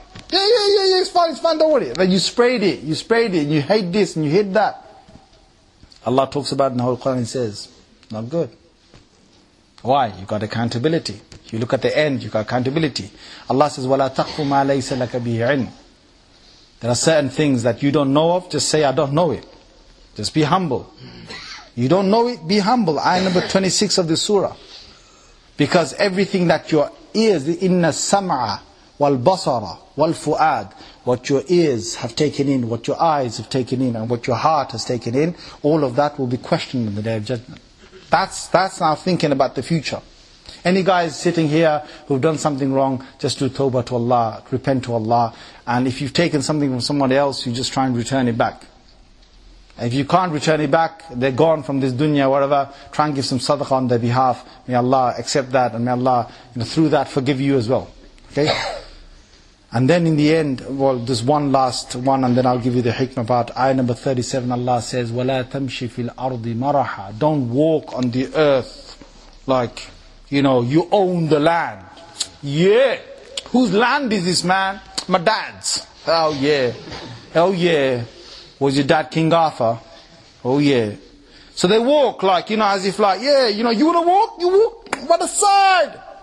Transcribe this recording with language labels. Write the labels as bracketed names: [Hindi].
[English] Yeah, it's fine, don't worry. Then you sprayed it, and you hate this, and you hate that. Allah talks about it in the whole Quran and says, not good. Why? You got accountability. You look at the end, you got accountability. Allah says, [Arabic] وَلَا تَقْفُ مَا لَيْسَ لَكَ بِهِ عِلْمٍ. [English] There are certain things that you don't know of, just say, I don't know it. Just be humble. You don't know it, be humble. Ayah number 26 of the surah. Because everything that your ears, [Arabic] إِنَّ السَّمْعَ وَالْبَصَرَ وَالْفُؤَادِ, [English] what your ears have taken in, what your eyes have taken in, and what your heart has taken in, all of that will be questioned on the day of judgment. That's now thinking about the future. Any guys sitting here who've done something wrong, just do tawbah to Allah, repent to Allah. And if you've taken something from somebody else, you just try and return it back. If you can't return it back, they're gone from this dunya, whatever, try and give some sadaqah on their behalf. May Allah accept that, and may Allah, you know, through that forgive you as well. Okay? And then in the end, well, there's one last one, and then I'll give you the hikmah part. Ayah number 37, Allah says, [Arabic] وَلَا تَمْشِ فِي الْأَرْضِ مَرَحًا. [English] Don't walk on the earth like, you know, you own the land. Yeah. Whose land is this, man? My dad's. Oh, yeah. Was your dad King Arthur? Oh, yeah. So they walk like, you know, as if like, yeah, you know, you want to walk? You walk by the side.